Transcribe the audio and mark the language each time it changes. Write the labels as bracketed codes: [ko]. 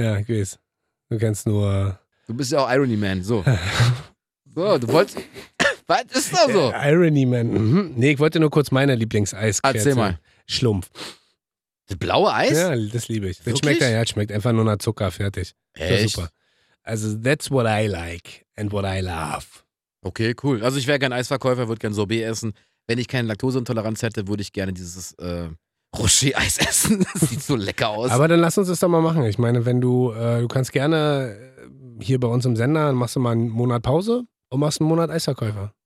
[de] Ja, ich weiß. Du kennst nur... Du bist ja auch Irony Man, so. So, du wolltest... Was ist da so? Irony Man. Mhm. Nee, ich wollte nur kurz meine Lieblings-Eis-Kerze. Erzähl mal. Schlumpf. Das blaue Eis? Ja, das liebe ich. Das schmeckt ja, das schmeckt einfach nur nach Zucker, fertig. Echt? Super. [en] Also, that's what I like and what I love. [de] Okay, cool. Also, ich wäre gern Eisverkäufer, würde gern Sorbet essen. Wenn ich keine Laktoseintoleranz hätte, würde ich gerne dieses Rocher-Eis essen. Das sieht so lecker aus. Aber dann lass uns das doch mal machen. Ich meine, wenn du, du kannst gerne hier bei uns im Sender, machst du mal einen Monat Pause und machst einen Monat Eisverkäufer.